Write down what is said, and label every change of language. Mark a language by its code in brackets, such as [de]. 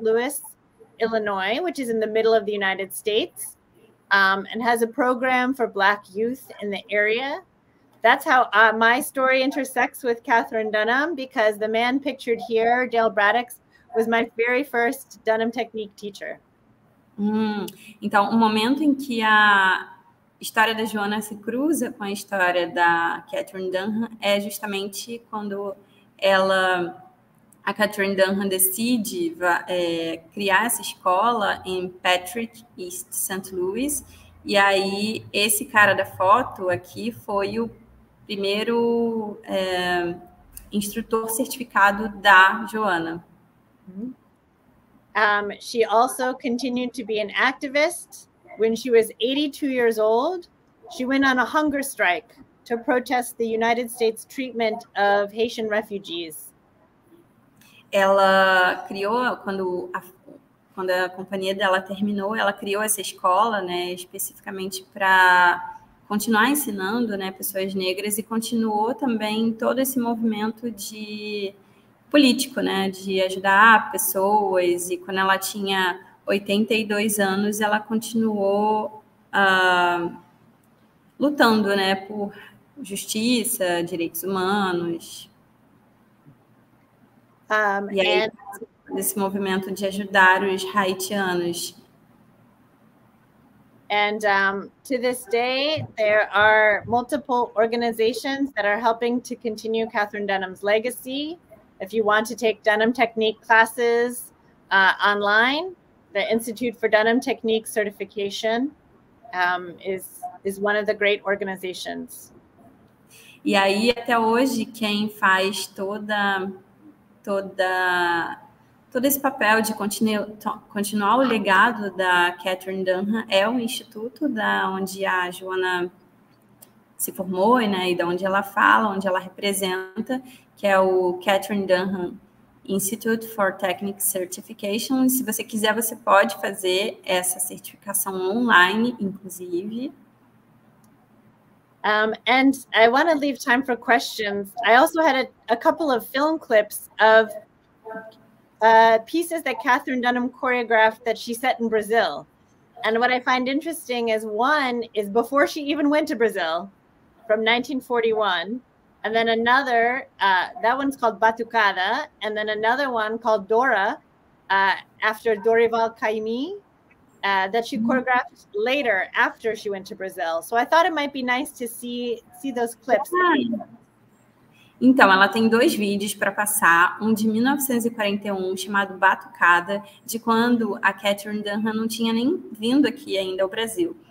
[en] Louis, Illinois, which is in the middle of the United States, and has a program for Black youth in the area. That's how my story intersects with Catherine Dunham, because the man pictured here, Dale Braddocks, was my very first Dunham Technique teacher. [pt] Então, o momento em que a história da Joana se cruza com a história da Catherine Dunham é justamente quando ela, a Catherine Dunham decide criar essa escola em Patrick, East St. Louis. E aí, esse cara da foto aqui foi o primeiro instrutor certificado da Joana. [en] She also continued to be an activist. When she was 82 years old, she went on a hunger strike to protest the United States treatment of Haitian refugees. [pt] Ela criou, quando a companhia dela terminou, ela criou essa escola, né, especificamente para continuar ensinando, né, pessoas negras, e continuou também todo esse movimento de político, né, de ajudar pessoas. E quando ela tinha 82 anos, ela continuou lutando, né, por justiça, direitos humanos. E aí, nesse movimento de ajudar os haitianos. [en] And to this day, there are multiple organizations that are helping to continue Catherine Dunham's legacy. If you want to take Dunham Technique classes online, the Institute for Dunham Technique Certification is one of the great organizations. [pt] E aí, até hoje, quem faz todo esse papel de continuar o legado da Catherine Dunham é o Instituto da onde a Joana se formou, né, e da onde ela fala, onde ela representa, que é o Catherine Dunham Institute for Technique Certification. Se você quiser, você pode fazer essa certificação online, inclusive. [en] And I want to leave time for questions. I also had a couple of film clips of pieces that Catherine Dunham choreographed that she set in Brazil. And what I find interesting is one is before she even went to Brazil, from 1941. And then another, that one's called Batucada, and then another one called Dora, after Dorival Caymmi, that she choreographed later, after she went to Brazil. So I thought it might be nice to see those clips. [pt] Então, ela tem dois vídeos para passar, um de 1941, chamado Batucada, de quando a Catherine Dunham não tinha nem vindo aqui ainda ao Brasil.